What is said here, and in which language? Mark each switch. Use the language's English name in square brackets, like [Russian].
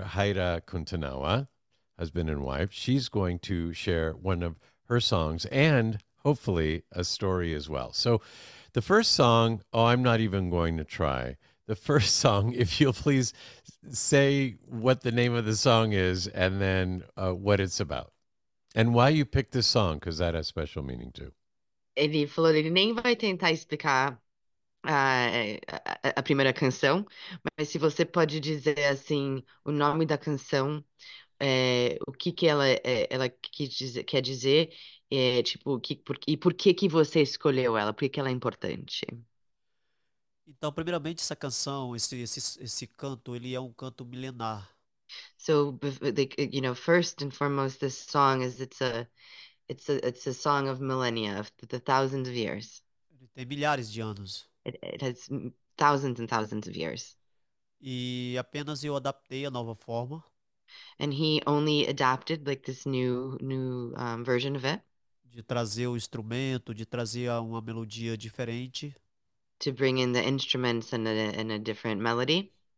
[English] Haira Kuntanawa, husband and wife, she's going to share one of her songs and hopefully a story as well. So the first song, oh, I'm not even going to try. The first song, if you'll please say what the name of the song is and then what it's about and why you picked this song, because that has special meaning too. [Portuguese] Ele falou, ele nem vai tentar explicar a primeira canção, mas se você pode dizer assim o nome da canção, o que que ela quer dizer, tipo, e por que que você escolheu ela, por que que ela é importante? Então, primeiramente, essa canção, esse canto, ele é um canto milenar. [English] So, you know, first and foremost, this song is it's a song of millennia, of the thousands of years. [Portuguese] Ele tem milhares de anos. [English] It has thousands and thousands of years. [Portuguese] E apenas eu adaptei a nova forma. [English] And he only adapted like this new version of it. [Portuguese] De trazer o instrumento, de trazer uma melodia diferente. [English] To bring in the instruments and a different melody.